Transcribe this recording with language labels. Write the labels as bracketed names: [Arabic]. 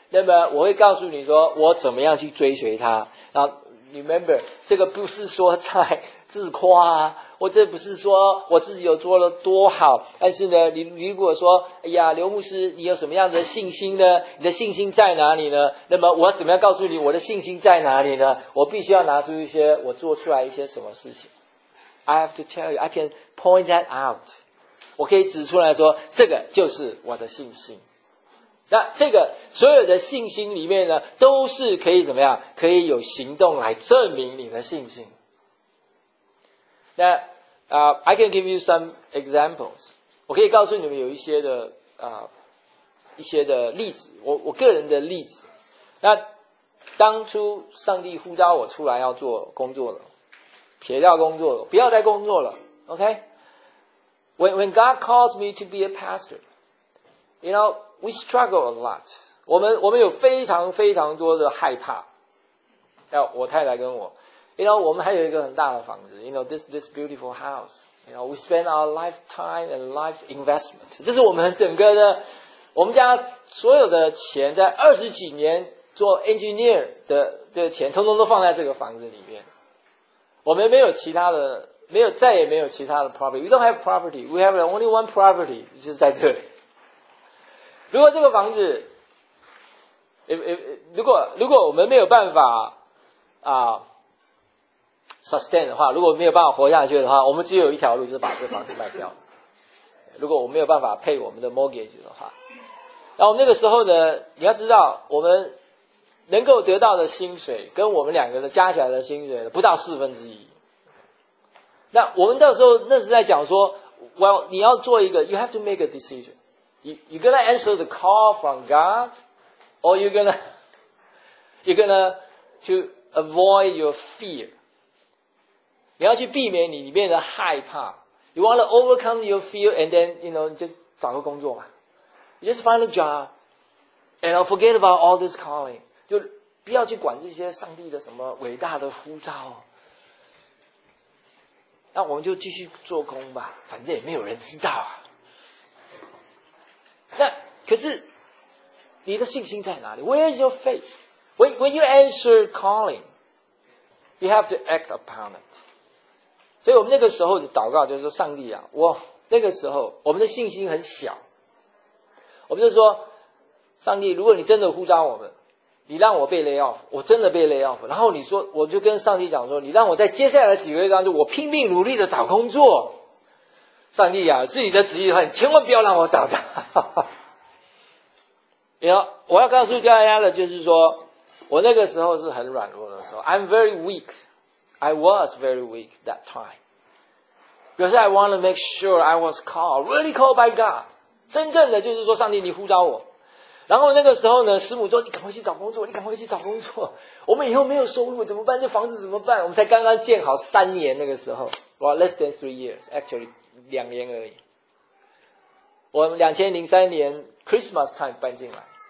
[Chinese] 那么我会告诉你说我怎么样去追随他。然后 remember, 这个不是说在自夸啊，我这不是说我自己有做了多好，但是呢，你如果说，哎呀，刘牧师，你有什么样的信心呢？你的信心在哪里呢？那么我要怎么样告诉你我的信心在哪里呢？我必须要拿出一些我做出来一些什么事情。 [English] I have to tell you, I can point that out. [Chinese] 我可以指出来说，这个就是我的信心。那这个所有的信心里面呢，都是可以怎么样？可以有行动来证明你的信心。 [English] 那I can give you some examples. [Chinese] 我可以告诉你们有一些的一些的例子，我个人的例子。那当初上帝呼召我出来要做工作了，撇掉工作了，不要再工作了。 [English] OK? When God calls me to be a pastor, you know, we struggle a lot. [Chinese] 我们有非常非常多的害怕。要我太太跟我。 [English] You know, [Chinese] 我们还有一个很大的房子 , [English] you know, this beautiful house. You know, we spend our lifetime and life investment. [Chinese] 这是我们整个的我们家所有的钱在二十几年做 engineer 的这个钱通通都放在这个房子里面。我们没有其他的没有再也没有其他的 property. [English] We don't have property. We have only one property, [Chinese] 就是在这里。如果这个房子 如果我们没有办法sustain 的话，如果没有办法活下去的话，我们只有一条路，就是把这房子卖掉。如果我没有办法pay我们的 mortgage 的话，那我们那个时候呢，你要知道，我们能够得到的薪水跟我们两个人加起来的薪水不到四分之一。那我们到时候那是在讲说 ， [English] Well， [Chinese] 你要做一个 ， [English] You have to make a decision. You gonna answer the call from God, or you gonna to avoid your fear. [Chinese] 你要去避免你里面的害怕。 [English] You want to overcome your fear and then, you know, [Chinese] 你就找个工作嘛。 [English] You just find a job. And I'll forget about all this calling. [Chinese] 就不要去管这些上帝的什么伟大的呼召。那我们就继续做工吧。反正也没有人知道啊。那可是你的信心在哪里？ [English] Where is your faith? When you answer calling, you have to act upon it. [Chinese] 所以我们那个时候的祷告就是说，上帝啊，我那个时候我们的信心很小，我们就说，上帝，如果你真的呼召我们，你让我被 lay off， 我真的被 lay off， 然后你说，我就跟上帝讲说，你让我在接下来几个月当中，我拼命努力的找工作，上帝啊，是你的旨意的话，你千万不要让我找到。你要，我要告诉大家的就是说，我那个时候是很软弱的时候 ， [English] I'm very weak。 I was very weak that time. Because I want to make sure I was called, really called by God. [Chinese] 真正的就是说上帝你呼召我。然后那个时候呢师母说你赶快去找工作你赶快去找工作。我们以后没有收入怎么办这房子怎么办我们才刚刚建好三年那个时候。 [English] Well, less than 3 years, actually, [Chinese] 两年而已。我们2003年 Christmas time 搬进来。